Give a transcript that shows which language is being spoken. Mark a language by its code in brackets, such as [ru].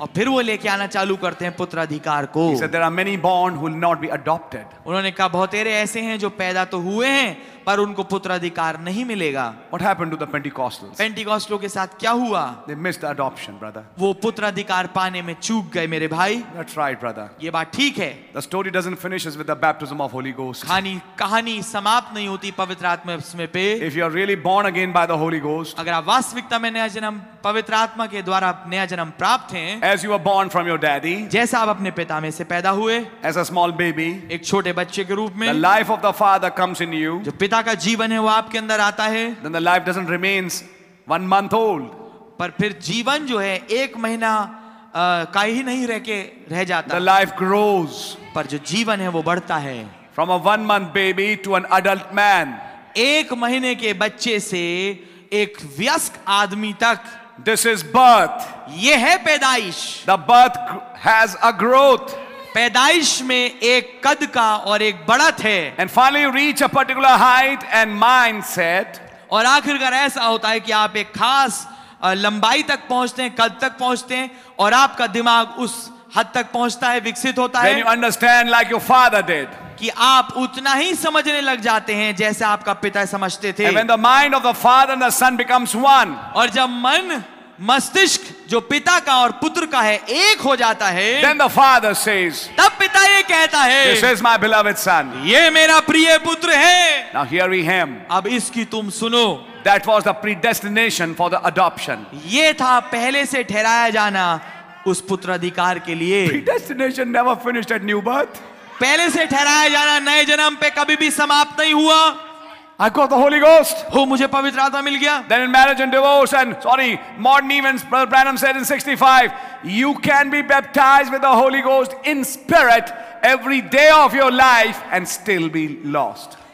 [hi] और फिर वो लेके आना चालू करते हैं पुत्राधिकार को. [en] He said there are many born who will not be adopted. [hi] उन्होंने कहा बहुत सारे ऐसे हैं जो पैदा तो हुए हैं पर उनको पुत्राधिकार नहीं मिलेगा. [en] What happened to the Pentecostals? [hi] पेंटिकॉस्टलों के साथ क्या हुआ? [en] They missed the adoption, brother. [hi] वो पुत्राधिकार पाने में चूक गए मेरे भाई. [en] That's right, brother. [hi] ये बात ठीक है. [en] The story doesn't finish with the baptism of Holy Ghost. [hi] कहानी समाप्त नहीं होती पवित्र आत्मा उसमें पे. [en] If you are really born again by the Holy Ghost. [hi] अगर आप वास्तविकता में नया जन्म पवित्र आत्मा के द्वारा नया जन्म प्राप्त हैं. [en] As you were born from your daddy. [hi] जैसा आप अपने पिता में से पैदा हुए. [en] As a small baby. [hi] एक छोटे बच्चे के रूप में. [en] The life of the father comes in you. [hi] जो पिता सदा का जीवन है वो आपके अंदर आता है. [en] Then the life doesn't remains one month old. [hi] पर फिर जीवन जो है एक महीना का ही नहीं रह के रह जाता. [en] The life grows. [hi] पर जो जीवन है वो बढ़ता है. [en] From a one month baby to an adult man. [hi] एक महीने के बच्चे से एक वयस्क आदमी तक. [en] This is birth. [hi] ये है पैदाइश. [en] The birth has a growth. [hi] पैदाइश में एक कद का और एक बढ़त है. [en] And finally you reach a particular height and mindset. [hi] और आखिरकार ऐसा होता है कि आप एक खास लंबाई तक पहुंचते हैं, कद तक पहुंचते हैं और आपका दिमाग उस हद तक पहुंचता है, विकसित होता [en] है. Then you understand like your father did. [hi] कि आप उतना ही समझने लग जाते हैं जैसे आपका पिता समझते थे. [en] And when the mind of the father and the son becomes one. [hi] और जब मन मस्तिष्क जो पिता का और पुत्र का है एक हो जाता है. [en] Then the father says. [hi] तब पिता ये कहता है. [en] This is my beloved son. [hi] ये मेरा प्रिय पुत्र है. [en] Now here we have. [hi] अब इसकी तुम सुनो. [en] That was the predestination for the adoption. [hi] ये था पहले से ठहराया जाना उस पुत्राधिकार के लिए. [en] Predestination never finished at new birth. [hi] पहले से ठहराया जाना नए जन्म पे कभी भी समाप्त नहीं हुआ. [en] I got the Holy Ghost. [hi] हो मुझे पवित्र आत्मा मिल गया. [en] Then in marriage and divorce and sorry, modern events, Brother Branham said in 65, you can be baptized with the Holy Ghost in spirit every day of your life and still be lost.